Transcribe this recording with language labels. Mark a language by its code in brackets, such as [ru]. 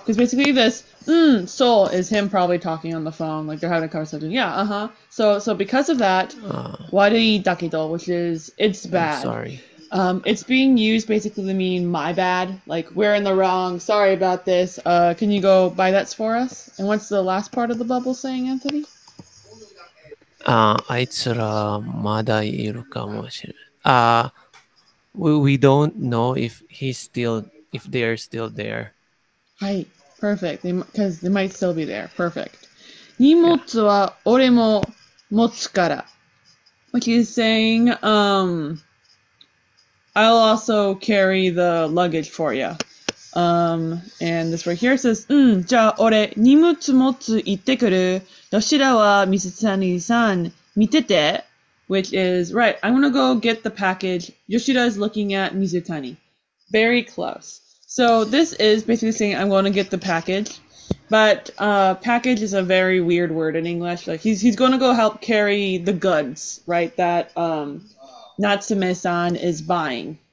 [en] Because basically this, so is him probably talking on the phone, like they're having a conversation. Yeah, uh-huh. So because of that, [ja] 悪いだけど, [en] which is, it's bad. I'm sorry. It's being used basically to mean my bad, like we're in the wrong, sorry about this. Can you go buy that for us? And what's the last part of the bubble saying, Anthony? [ja] あいつらまだいるかもしれない。 [en] We don't know if he's still, if they're still there. はい、perfect. Because they might still be there. Perfect. [ja] 荷物は俺も持つから。 [en] Which is saying, I'll also carry the luggage for you. And this right here says, [ja] じゃあ俺荷物持つ行ってくる。吉田は水谷さん見てて。 [en] Which is, right, I'm gonna go get the package. Yoshida is looking at Mizutani. Very close. So this is basically saying, I'm gonna get the package. But package is a very weird word in English. Like he's gonna go help carry the goods, right, that Natsume-san is buying.